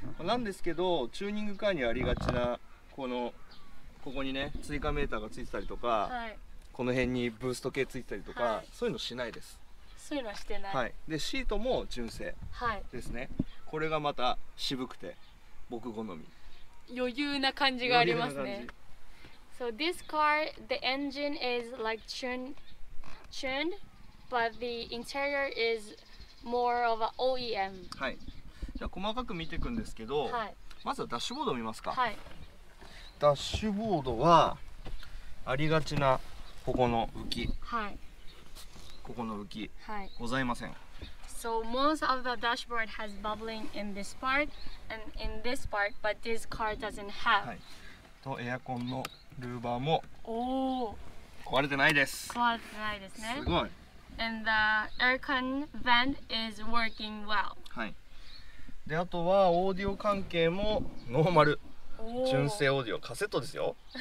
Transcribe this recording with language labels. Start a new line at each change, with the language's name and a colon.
Japanese: なんですけど、チューニングカーにありがちなこのここにね、追加メーターがついてたりとか、はい、この辺にブースト系ついてたりとか、はい、そういうのしないです。そういうのはしてない。はい、で、シートも純正ですね。はい、これがまた渋くて僕好み。余裕な感じがありますね。
English: So this car, the engine is like tuned, but the interior is more of an OEM.
Japanese: はい。じゃあ細かく見ていくんですけど、はい、まずはダッシュボードを見ますか。はい。ダッシュボードはありがちなここの浮き。はい。ここの浮き。はい。ございません。
English: So most of the dashboard has bubbling in this part and in this part, but this car doesn't have.
Japanese: はい。とエアコンのルーバーも。おお。壊れてないです。壊れてないですね。すごい。
English: And the aircon vent is working well.
Japanese: はい。で、あとはオーディオ関係もノーマル。純正オーディオ、カセットですよ。